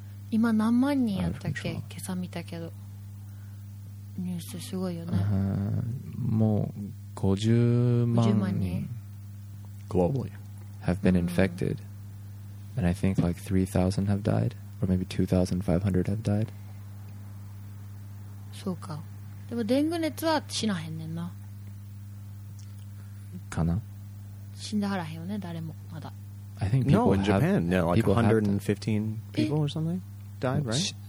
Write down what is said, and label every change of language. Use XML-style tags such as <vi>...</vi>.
<ja>今何万人やったっけ？今朝見たけど。ニュースすごいよね。もう50万人。</ja> <en>Globally. Have been infected. And I think like 3,000 have died, or maybe 2,500 have died.</en> <ja>そうか。でも、デング熱は死なへんねんな。かな。死んだはらへんよね、誰も、まだ。</ja> <en>I think people in Japan, like 115 people or something died, right?</en>